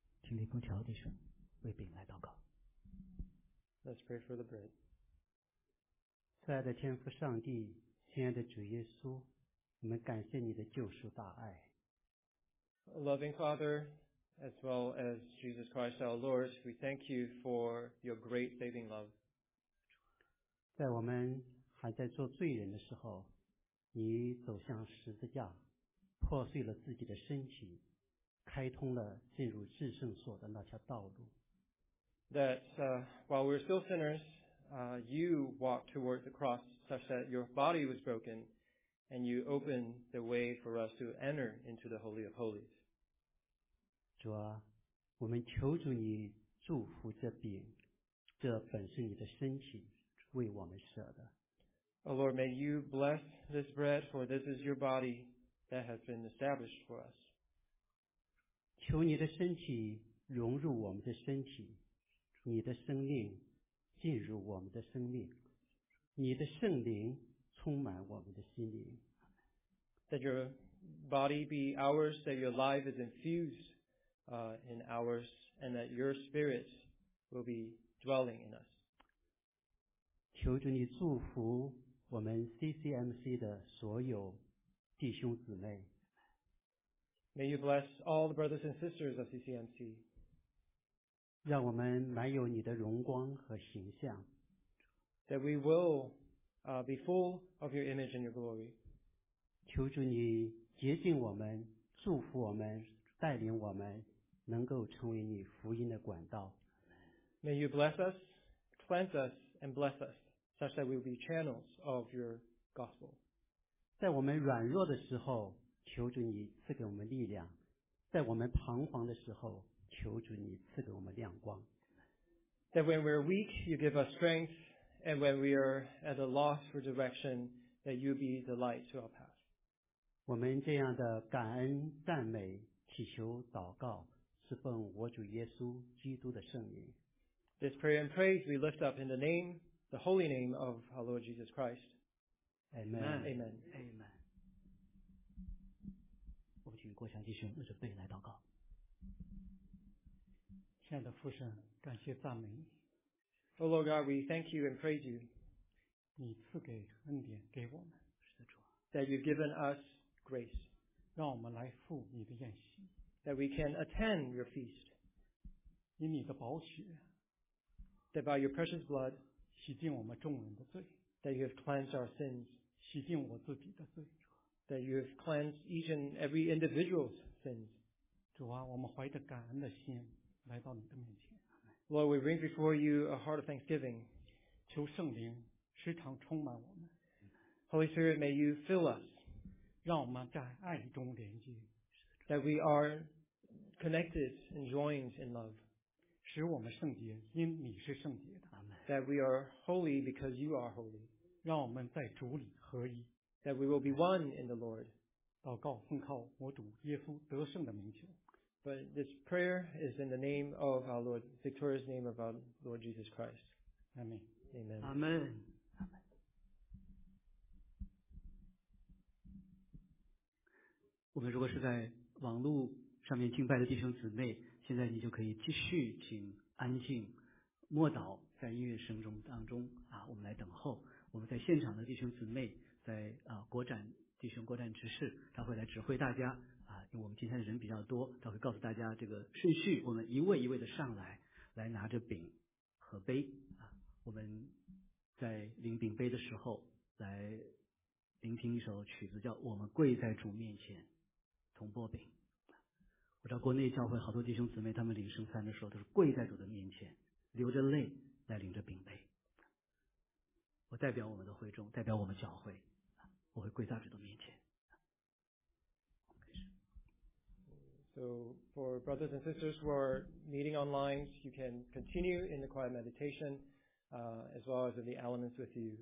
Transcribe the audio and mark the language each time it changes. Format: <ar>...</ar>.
<zh>李丰桥弟兄为饼来祷告。</zh> <en>Let's pray for the bread.</en> <zh>亲爱的天父上帝，亲爱的主耶稣，我们感谢你的救赎大爱。</zh> <en>Loving Father, as well as Jesus Christ our Lord, we thank you for your great saving love.</en> <zh>在我们还在做罪人的时候，你走向十字架，破碎了自己的身体，开通了进入至圣所的那条道路。</zh> <en>That while we're still sinners, you walked toward the cross such that your body was broken, and you opened the way for us to enter into the Holy of Holies.</en> <zh>主啊，我们求主你祝福这饼，这本是你的身体，为我们舍的。</zh> <en>Oh Lord, may you bless this bread, for this is your body that has been established for us.</en> <zh>求你的身体融入我们的身体，你的生命进入我们的生命，你的圣灵充满我们的心灵。</zh> <en>That your body be ours, that your life is infused, in ours, and that your spirit will be dwelling in us.</en> <zh>求主你祝福我们 CCMC 的所有弟兄姊妹。</zh> <en>May you bless all the brothers and sisters of CCMC.</en> <zh>让我们满有你的荣光和形象。</zh> <en>That we will be full of your image and your glory.</en> <zh>求主你洁净我们，祝福我们，带领我们，能够成为你福音的管道。</zh> <en>May you bless us, cleanse us, and bless us. Such that we will be channels of your gospel.</en> <zh>在我们软弱的时候，求主你赐给我们力量；在我们彷徨的时候，求主你赐给我们亮光。</zh> <en>That when we are weak, you give us strength, and when we are at a loss for direction, that you be the light to our path.</en> <zh>我们这样的感恩、赞美、祈求、祷告，是奉我主耶稣基督的圣名。</zh> <en>This prayer and praise we lift up in the name. The holy name of our Lord Jesus Christ. Amen. Amen. Amen.</en> <zh>我们请郭强弟兄准备来祷告。亲爱的父神，感谢赞美你。</zh> <en>Oh Lord God, we thank you and praise you.</en> <zh>你赐给恩典给我们。</zh> <en>That you've given us grace.</en> <zh>让我们来赴你的宴席。</zh> <en>That we can attend your feast.</en> <zh>以你的宝血。</zh> <en>That by your precious blood.</en> <zh>洗净我们众人的罪</zh> <en>that you have cleansed our sins</en> <zh>洗净我自己的罪</zh> <en>that you have cleansed each and every individual's sins</en> <zh>主啊我们怀着感恩的心来到你的面前</zh> <en>Lord we bring before you a heart of thanksgiving</en> <zh>求圣灵时常充满我们</zh> <en>Holy Spirit may you fill us</en> <zh>让我们在爱中连接</zh> <en>that we are connected and joined in love</en> <zh>使我们圣洁因你是圣洁的</zh> <en>That we are holy because you are holy.</en> <zh>让我们在主里合一。</zh> <en>That we will be one in the Lord.</en> <zh>祷告奉靠我主耶稣得胜的名求。</zh> <en>But this prayer is in the name of our Lord, victorious name of our Lord Jesus Christ. Amen. Amen. Amen.</en> <zh>我们如果是在网路上面敬拜的弟兄姊妹，现在你就可以继续请安静默祷。在音乐声中当中啊，我们来等候。我们在现场的弟兄姊妹，在国展弟兄国展执事，他会来指挥大家啊。因为我们今天的人比较多，他会告诉大家这个顺序。我们一位一位的上来，来拿着饼和杯啊。我们在领饼杯的时候，来聆听一首曲子，叫《我们跪在主面前》，同擘饼。我知道国内教会好多弟兄姊妹，他们领圣餐的时候都是跪在主的面前，流着泪。带领着饼杯，我代表我们的会众，代表我们教会，我会跪在主的面前。</zh> <en>So for brothers and sisters who are meeting online, you can continue in the quiet meditation, as well as in the elements with you.</en>